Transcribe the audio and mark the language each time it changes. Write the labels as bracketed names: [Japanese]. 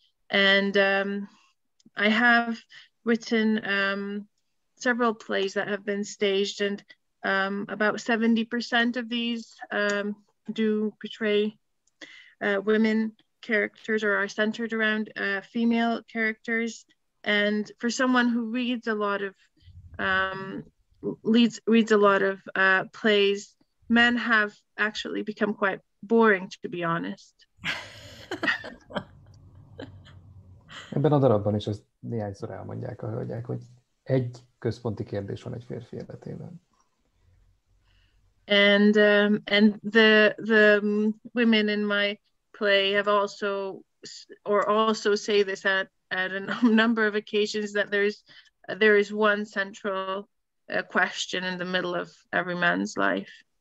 [English] And I have written several plays that have been staged, and about 70% of these do portray women characters or are centered around female characters. And for someone who reads a lot of plays, men have actually become quite boring, to be honest. [Hungarian] Ebben a darabban is ezt néhányszor elmondják a hölgyek, hogy egy központi kérdés van egy férfi életében. [English] And the women in my play have also say this at a number of occasions, that there is one central question in the middle of every man's life.